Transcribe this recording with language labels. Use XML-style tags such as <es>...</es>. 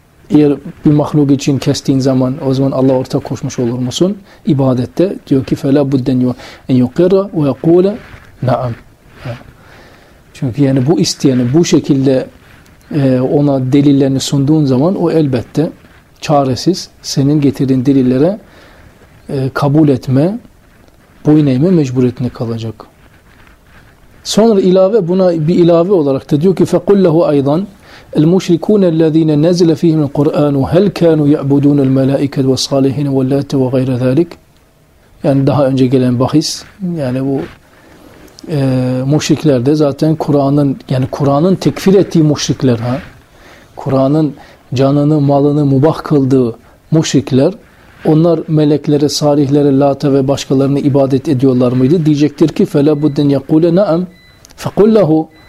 <tr>Eğer bir mahluk için kestiğin zaman o zaman Allah'a ortak koşmuş olur musun? İbadette diyor ki</tr> <ar>فَلَا بُدَّنْ اَنْ يُقِرَّ وَيَقُولَ نَعَمْ.</ar> <tr>Çünkü yani bu isteyeni bu şekilde ona delillerini sunduğun zaman o elbette çaresiz senin getirdiğin delillere kabul etme, boyun eğme mecburiyetine kalacak. Sonra ilave, buna bir ilave olarak da diyor ki</tr> <ar>فَقُلْ لَهُ اَيْضًا الْمُشْرِكُونَ الَّذ۪ينَ نَزِلَ ف۪يهِمْ الْقُرْآنُ هَلْ كَانُوا يَعْبُدُونَ الْمَلَائِكَةِ وَالصَّالِحِينَ وَاللَّاتِ وَغَيْرَ ذَٰلِكَ.</ar> <tr>Yani daha önce gelen bahis, yani bu müşrikler de zaten Kur'an'ın, yani Kur'an'ın tekfir ettiği müşrikler, ha, Kur'an'ın canını malını mubah kıldığı müşrikler, onlar meleklere, salihlere, Lata ve başkalarına ibadet ediyorlar mıydı? Diyecektir ki</tr> <ar>فَلَا بُدَّنْ يَقُولَ نَعَمْ فَقُلْ لَهُ</ar>